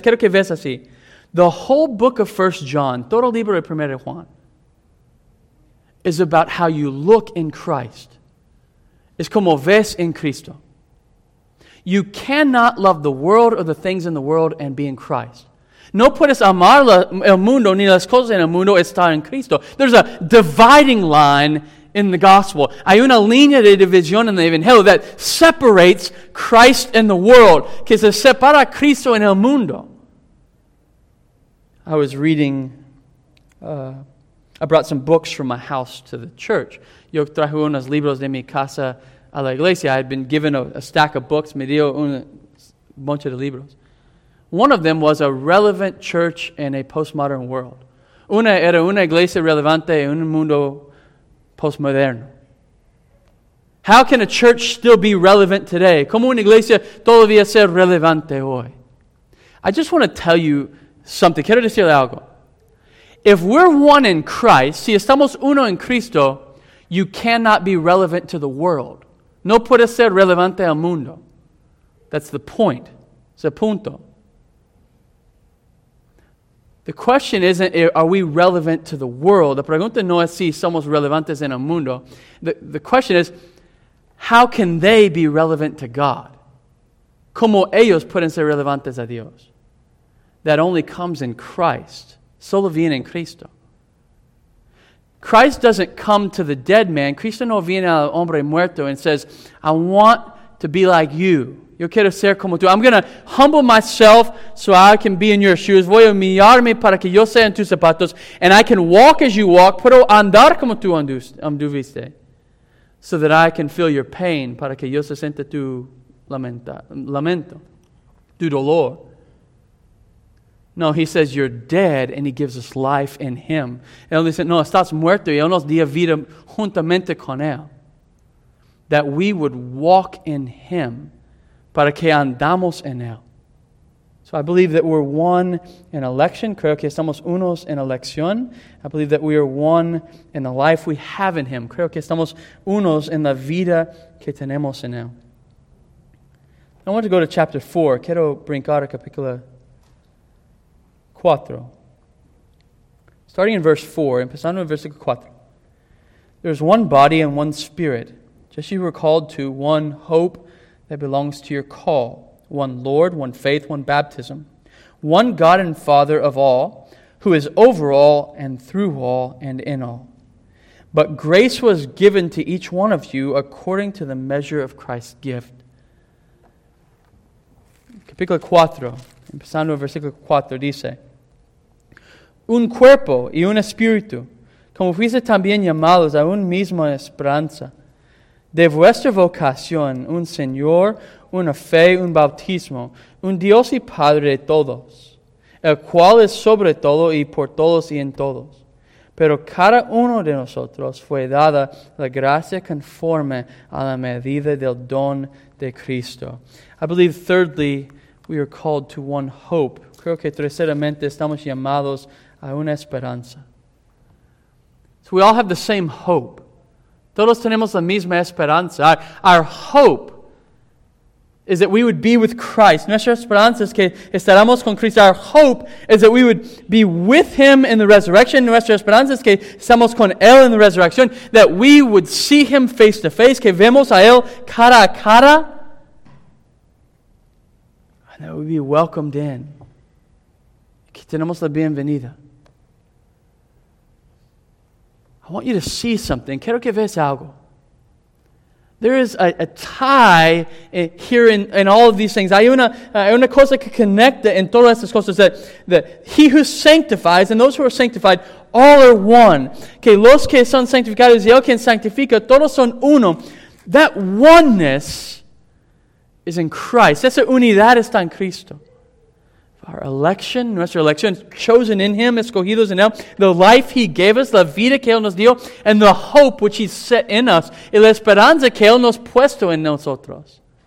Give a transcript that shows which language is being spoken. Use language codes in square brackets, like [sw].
[es] Quiero que veas así. [en] The whole book of 1 John, [es] todo el libro de 1 Juan, [en] is about how you look in Christ. [es] Es como ves en Cristo. [en] You cannot love the world or the things in the world and be in Christ. [es] No puedes amar el mundo ni las cosas en el mundo estar en Cristo. [en] There's a dividing line in the gospel. [es] Hay una línea de división en el evangelio [en] that separates Christ and the world. [es] Que se separa Cristo en el mundo. [en] I was reading, I brought some books from my house to the church. [es] Yo traje unos libros de mi casa a la iglesia. [en] I had been given a stack of books. [es] Me dio un bunch de libros. [en] One of them was A Relevant Church in a Postmodern World. [es] Una era una iglesia relevante en un mundo postmoderno. [en] How can a church still be relevant today? [es] ¿Cómo una iglesia todavía ser relevante hoy? [en] I just want to tell you something. [es] Quiero decirle algo. [en] If we're one in Christ, [es] si estamos uno en Cristo, [en] you cannot be relevant to the world. [es] No puede ser relevante al mundo. [en] That's the point. [es] Es el punto. [en] The question isn't, are we relevant to the world? [es] La pregunta no es si somos relevantes en el mundo. [en] The question is, how can they be relevant to God? [es] ¿Cómo ellos pueden ser relevantes a Dios? [en] That only comes in Christ. [es] Solo viene en Cristo. [en] Christ doesn't come to the dead man. [es] Cristo no viene al hombre muerto [en] and says, I want to be like you. [es] Yo quiero ser como tú. [en] I'm going to humble myself so I can be in your shoes. [es] Voy a humillarme para que yo sea en tus zapatos. [en] And I can walk as you walk. [es] Puedo andar como tú anduviste. [en] So that I can feel your pain. [es] Para que yo se sienta tu lamento. Tu dolor. [en] No, he says you're dead and he gives us life in him. [es] Él dice, no, estás muerto y él nos dio vida juntamente con él. [en] That we would walk in him. [es] Para que andamos en él. [en] So I believe that we're one in election. [es] Creo que estamos unos en elección. [en] I believe that we are one in the life we have in him. [es] Creo que estamos unos en la vida que tenemos en él. [en] I want to go to chapter 4. [es] Quiero brincar a capítulo 4. [en] Starting in verse 4, [es] empezando en versículo 4. [en] There is one body and one spirit, just as you were called to one hope that belongs to your call, one Lord, one faith, one baptism, one God and Father of all, who is over all and through all and in all. But grace was given to each one of you according to the measure of Christ's gift. [es] Capítulo 4, empezando en versículo 4, dice, un cuerpo y un espíritu, como fuiste también llamados a un mismo esperanza, de vuestra vocación, un Señor, una fe, un bautismo, un Dios y Padre de todos, el cual es sobre todo y por todos y en todos. Pero cada uno de nosotros fue dada la gracia conforme a la medida del don de Cristo. [en] I believe, thirdly, we are called to one hope. [es] Creo que terceramente estamos llamados a una esperanza. [en] So we all have the same hope. [es] Todos tenemos la misma esperanza. [en] Our hope is that we would be with Christ. [es] Nuestra esperanza es que estaremos con Cristo. [en] Our hope is that we would be with him in the resurrection. [es] Nuestra esperanza es que estamos con él en la resurrección. [en] That we would see him face to face. [es] Que vemos a él cara a cara. [en] And that we'd be welcomed in. [es] Que tenemos la bienvenida. [en] I want you to see something. [es] Quiero que veas algo. [en] There is a tie here in all of these things. [es] Hay una cosa que conecta en todas estas cosas. [en] That he who sanctifies and those who are sanctified, all are one. [es] Que los que son sanctificados y el que sanctifica, todos son uno. [en] That oneness is in Christ. [es] Esa unidad está en Cristo. [en] Our election, [es] nuestra elección, [en] chosen in him, [es] escogidos en él, [en] the life he gave us, [es] la vida que él nos dio, [en] and the hope which he set in us, [es] y la esperanza que él nos puesto en nosotros.